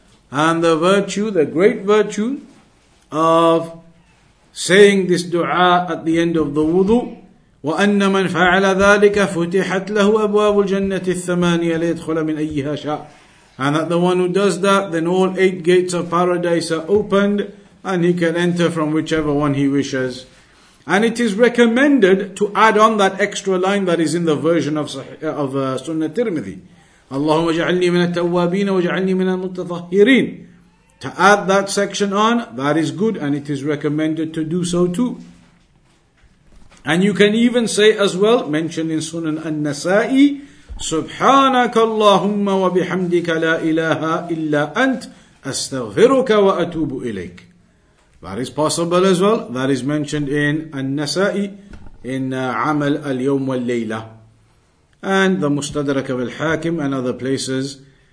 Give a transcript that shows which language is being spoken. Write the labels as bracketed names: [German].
[English] And the virtue, the great virtue of saying this dua at the end of the wudu, [Arabic] وَأَنَّ مَنْ فَعَلَ ذَٰلِكَ فُتِحَتْ لَهُ أَبْوَابُ الْجَنَّةِ الثَّمَانِيَ لَيَدْخُلَ مِنْ أَيِّهَا شَاءَ. [English] And that the one who does that, then all eight gates of paradise are opened, and he can enter from whichever one he wishes. And it is recommended to add on that extra line that is in the version of Sunnah Tirmidhi. [Arabic] اللهم اجعلني من التوابين واجعلني من المتطهرين. [English] To add that section on, that is good, and it is recommended to do so too. And you can even say as well, mentioned in Sunan An-Nasa'i, [Arabic] سبحانك اللهم وبحمدك لا إله إلا أنت أستغفرك وأتوب إليك. [English] That is possible as well. That is mentioned in An-Nasa'i, in عمل اليوم والليلة, and the مستدرك بالحاكم, and other places.